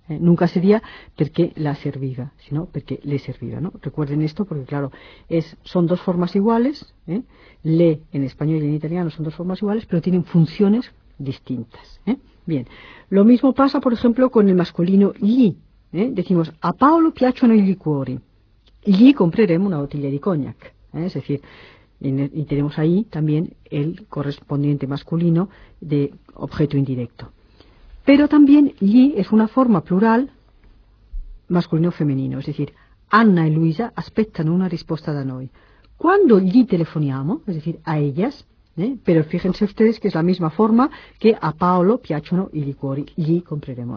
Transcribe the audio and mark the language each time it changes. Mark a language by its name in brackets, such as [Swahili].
[Spanish] Nunca sería porque [Italian] la serviva, [Spanish] sino porque [Italian] le serviva, [Spanish] ¿no? Recuerden esto, porque claro, son dos formas iguales, le en español y en italiano son dos formas iguales, pero tienen funciones distintas. Bien, lo mismo pasa, por ejemplo, con el masculino gli. Decimos, [Italian] a Paolo piacciono i liquori. Gli compreremo una botella di cognac. [Spanish] Es decir, y tenemos ahí también el correspondiente masculino de objeto indirecto. Pero también gli es una forma plural masculino-femenino. Es decir, [Italian] Anna y Luisa aspettano una risposta da noi. [Spanish] Cuando gli telefoniamo, es decir, a ellas, pero fíjense ustedes que es la misma forma que [Italian] a Paolo piacciono i liquori, gli compreremo.